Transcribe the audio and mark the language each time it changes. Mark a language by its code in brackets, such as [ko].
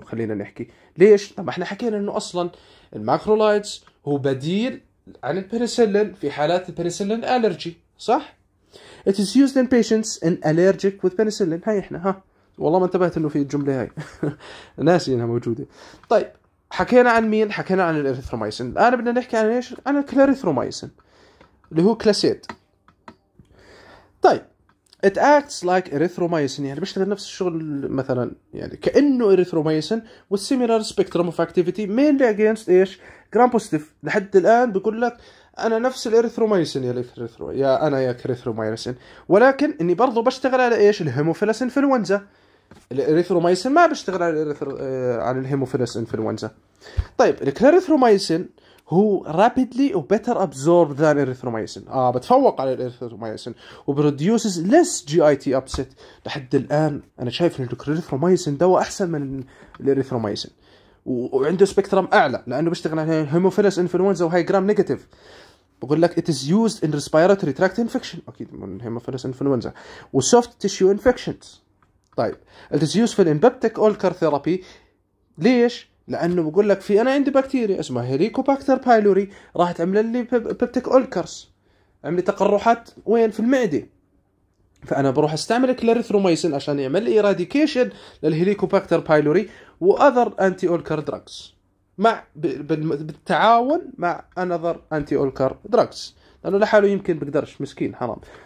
[ar] خلينا نحكي ليش. طب احنا حكينا انه اصلا الماكرولايتس هو بديل عن البنسلين في حالات البنسلين الالرجي، صح؟ [en] It is used in patients in allergic with penicillin. [ar] هاي احنا ها والله ما انتبهت انه في الجملة هاي. ناسي انها موجودة. طيب حكينا عن مين؟ حكينا عن الاريثروميسين. الان بدنا نحكي عن ايش؟ عن الكلاريثروميسين اللي هو كلاسيد. طيب [en] it acts like erythromycin, [ar] يعني بيشتغل نفس الشغل مثلا يعني كأنه [en] erythromycin with similar spectrum of activity mainly against ايش؟ Gram positive. [ar] لحد الآن بقول لك أنا نفس الإريثرومايسين يا الإريثرو يا أنا يا كريثرومايسين، ولكن إني برضو بشتغل على إيش؟ الهيموفيلس إنفلونزا. الإريثرومايسين ما بشتغل على عن الهيموفيلس إنفلونزا. طيب [en] الكريثرومايسين هو rapidly or better absorbed than erythromycin. [ar] بتفوق على الإريثرومايسين و [en] produces less GIT upset. [ar] لحد الآن أنا شايف إن الكريثرومايسين دواء أحسن من الإريثرومايسين. وعنده سبيكترم اعلى لانه بيشتغل على هيموفيلس انفلونزا وهي جرام نيجاتيف. بقول لك [en] it is used in respiratory tract infection [ar] اكيد من [en] Haemophilus influenza و soft tissue infections. [ar] طيب [en] it is useful in peptic ulcer therapy. [ar] ليش؟ لانه بقول لك في انا عندي بكتيريا اسمها هيليكوباكتر بايلوري راح تعمل لي peptic ulcers، عملي تقرحات وين؟ في المعده. فانا بروح استعمل كلاريثروميسين عشان يعمل لي ايراديكيشن للهيليكوباكتر بايلوري واذر انتي اولكر دراجز مع بالتعاون مع انذر انتي اولكر دراجز، لانه لحاله يمكن بقدرش، مسكين حرام.